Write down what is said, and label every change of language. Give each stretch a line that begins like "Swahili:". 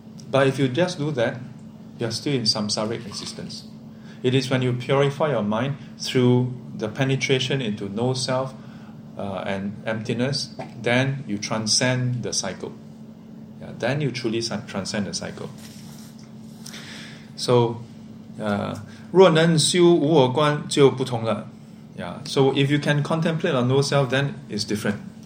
English: But if you just do that, you are still in samsaric existence. It is when you purify your mind through the penetration into no self and emptiness, then you transcend the cycle. Then you truly transcend the cycle.
Chinese: So, 若能修无我观就不同了.
English: So if you can contemplate on no self, then it's different.